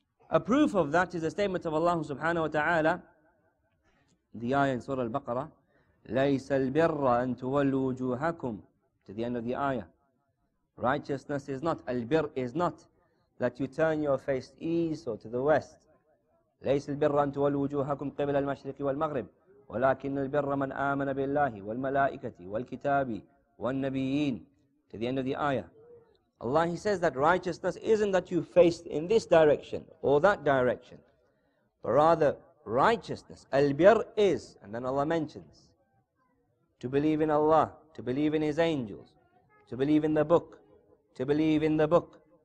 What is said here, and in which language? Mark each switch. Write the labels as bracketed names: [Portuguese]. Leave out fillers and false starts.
[English] A proof of that is a statement of Allah subhanahu wa ta'ala, the ayah in Surah Al-Baqarah, [Arabic] لَيْسَ الْبِرَّ أَن تُوَلُّوا وُجُوهَكُمْ, [English] to the end of the ayah. Righteousness is not, al-birr is not, that you turn your face east or to the west. [Arabic] لَيْسَ الْبِرَّ أَن تُوَلُّوا وُجُوهَكُمْ قِبْلَ الْمَشْرِقِ وَالْمَغْرِبِ وَلَكِنَّ الْبِرَّ مَنْ آمَنَ بِاللَّهِ وَالْمَلَائِكَةِ وَالْكِتَابِ وَالنَّبِيِّينَ, [English] to the end of the ayah. Allah, He says that righteousness isn't that you face in this direction or that direction, but rather righteousness, al-birr is, and then Allah mentions, to believe in Allah, to believe in His angels, to believe in the book, to believe in the book.